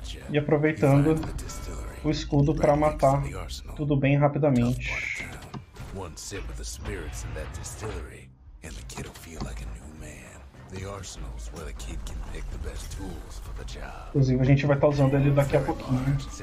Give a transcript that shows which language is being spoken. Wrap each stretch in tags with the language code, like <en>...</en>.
<pt>E aproveitando o escudo para matar tudo bem rapidamente.</pt> <en>One sip of the spirits in that distillery, and the kid will feel like a new man. The arsenal's where the kid can pick the best tools for the job.</en> <pt>Inclusive, a gente vai estar usando ele daqui a pouquinho.</pt>